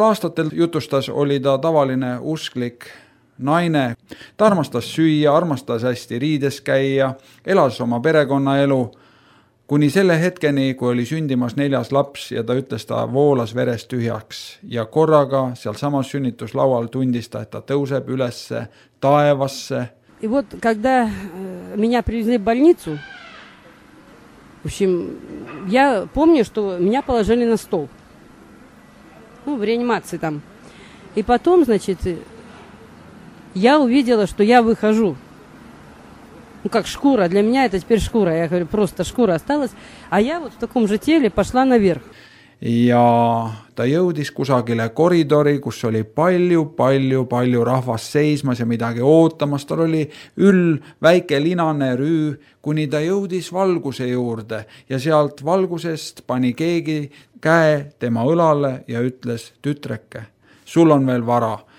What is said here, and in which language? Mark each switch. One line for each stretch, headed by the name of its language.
Estonian: aastatel jutustas oli ta tavaline usklik naine, ta armastas süüa, armastas hästi riides käia, elas oma perekonna elu, kuni selle hetkeni, kui oli sündimas neljas laps ja ta ütles, ta voolas verest tühjaks ja korraga seal samas sünnitus laual tundis ta, et ta tõuseb ülesse taevasse.
Russian: И вот когда меня привезли в больницу, в общем, я помню, что меня положили на стол. Ну, в реанимации там. И потом, значит, я увидела, что я выхожу. Ну, как шкура. Для меня это теперь шкура. Я говорю, просто шкура осталась. А я вот в таком же теле пошла наверх.
Estonian: Ja ta jõudis kusagile koridori, kus oli palju rahvas seismas ja midagi ootamas. Tal oli üll väike linane rüü, kuni ta jõudis valguse juurde ja sealt valgusest pani keegi käe tema õlale ja ütles, tütreke, sul on veel vara.